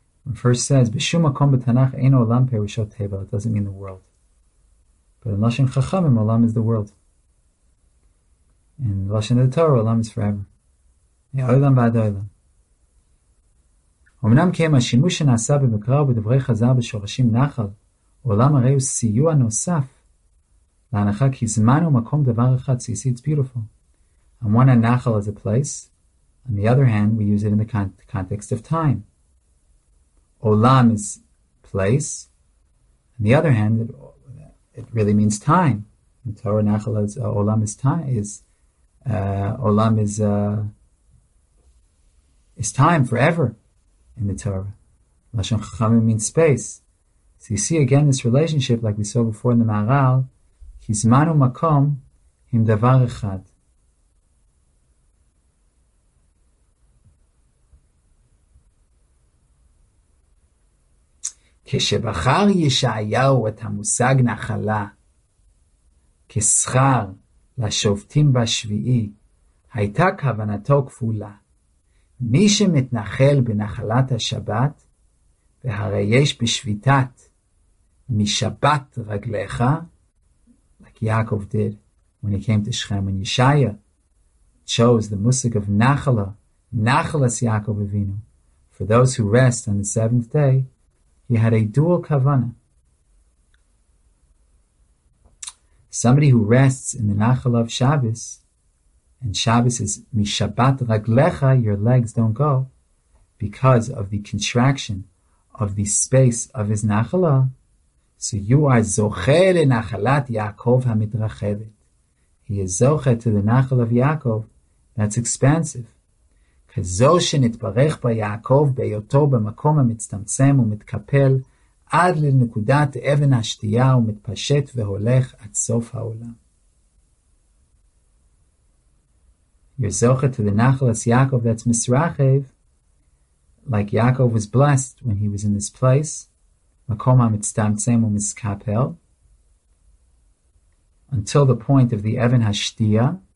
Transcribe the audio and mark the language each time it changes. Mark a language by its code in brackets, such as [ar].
[en] It first says, [he] B'shum akom b'tanakh ein olam perishot teva. [en] It doesn't mean the world. But in Lashon Chachamim, Olam is the world. In Lashon of the Torah, Olam is forever. Yeah, Olam Ba'ad Olam. [he] אמנם כן, השימוש שנעשה במקרא ובדברי חז"ל בשורשים נחל, עולם הרי הוא סיוע נוסף להנחה כי זמן ומקום דבר אחד בסיסי, [en] it's beautiful. I want a nachal as a place. On the other hand, we use it in the context of time. Olam is place. On the other hand, it really means time. The Torah nachal is olam is time is olam is time forever in the Torah. Lashon Chachamim means space. So you see again this relationship, like we saw before in the Maharal, [he] ki zman u'makom him davar echad. כשבחר ישעיהו את המושג נחלה כשכר לשובתים בשביעי, הייתה כוונתו כפולה. מי שמתנחל בנחלת השבת, והרי יש בשביתת משבת רגליך, [en] like Yaakov did when he came to Shechem, when Yeshaya chose the musag of nachala, nachalas Yaakov avinu, for those who rest on the seventh day, he had a dual kavana. Somebody who rests in the Nachal of Shabbos, and Shabbos is Mishabbat Raglecha, your legs don't go, because of the contraction of the space of his Nachala, so you are Zoche le Nachalat Yaakov HaMitrachevet. He is Zoche to the Nachal of Yaakov, that's expansive. [he] כזו שנתברך בה יעקב בהיותו במקום המצטמצם ומתקפל עד לנקודת אבן השתייה ומתפשט והולך עד סוף העולם. [en] You're זוכת to the Nachlas Yaakov that's Misrachev, like Yaakov was blessed when he was in this place, [he] מקום המצטמצם ומתקפל, [en] until the point of the אבן השתייה.